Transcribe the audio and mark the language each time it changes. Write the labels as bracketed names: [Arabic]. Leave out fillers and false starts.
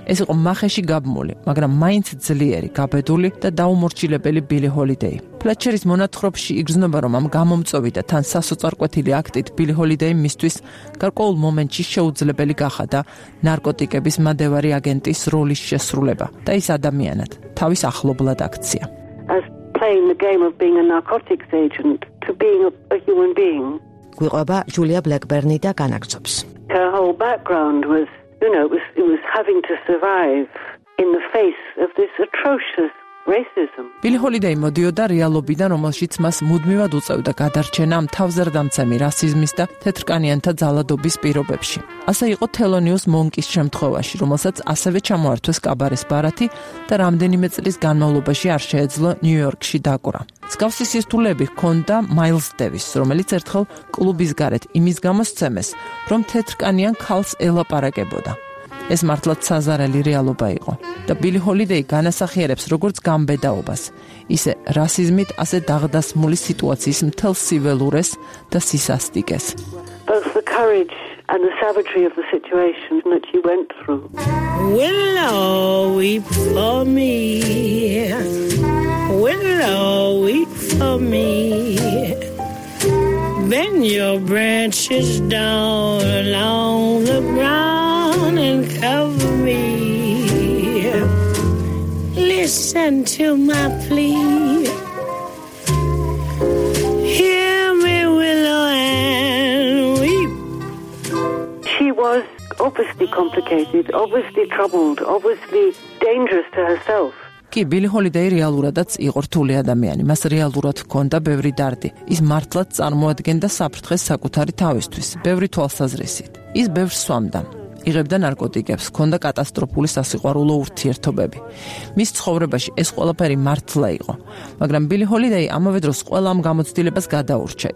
[Georgian] ეს იყო მახეში გაბმული, მაგრამ მაინც ძლიერი, გაბედული და დაუმორჩილებელი ბილი ჰოლიდეი. Fletcher's მონათხრობში იგრძნობა რომ ამ გამომწვევი და თან სასოწარკვეთილი აქტით ბილი ჰოლიდეი მისთვის გარკვეულ მომენტში შეუძლებელი გახადა ნარკოტიკების მადევარი აგენტის როლის შესრულება და ის ადამიანად თავის ახლობლად აქცია. [English] As playing the game of being a narcotics agent to being a human being. [Georgian] გვიყვება ჯულია ბლეკბერნი და განაგცობს. [English] Her whole background was, you know, it was having to survive in the face of this atrocious racism. [Georgian] ბილი ჰოლიდეი მოდიოდა რეალობიდან, რომელშიც მას მუდმივად უწევდა გადარჩენა თავზარდამცემი რასიზმის და თეთრკანიანთა ძალადობის პირობებში. ასე იყო თელონიუს მონკის შემთხვევაში, რომელსაც ასევე ჩამოართვეს კაბარეს ბარათი და რამდენიმე წლის განმავლობაში არ შეეძლო ნიუ-იორკში დაკვრა. მსგავსი სირთულეები ჰქონდა მაილს დევისს, რომელიც ერთხელ კლუბის გარეთ იმის გამო სცემეს, რომ თეთრკანიან ქალს ელაპარაკებოდა. ეს მართლაც საზარელი რეალობა იყო და ბილი ჰოლიდეი განასახიერებს როგორც გამბედაობას, ისე რასიზმით ასე დაღდასმული სიტუაციის მთელ სიველურეს და სისასტიკეს. [English] Both the courage and the savagery of the situation that you went through. Willow weep for me. Willow weep for me. Bend your branches down along the ground and cover me. Listen to my plea. Hear me, willow, and weep. She was obviously complicated, obviously troubled, obviously dangerous to herself. [Georgian] ბილი ჰოლიდეი რეალურადაც იყო რთული ადამიანი. მას რეალურად ჰქონდა ბევრი დარდი. ის მართლაც წარმოადგენდა საფრთხეს საკუთარი თავისთვის, ბევრი თვალსაზრისით. ის ბევრს სვამდა, იღებდა ნარკოტიკებს, ჰქონდა კატასტროფული სასიყვარულო ურთიერთობები. მის ცხოვრებაში ეს ყველაფერი მართლა იყო, მაგრამ ბილი ჰოლიდეი ამავე დროს ყველა ამ გამოცდილებას გადაურჩა.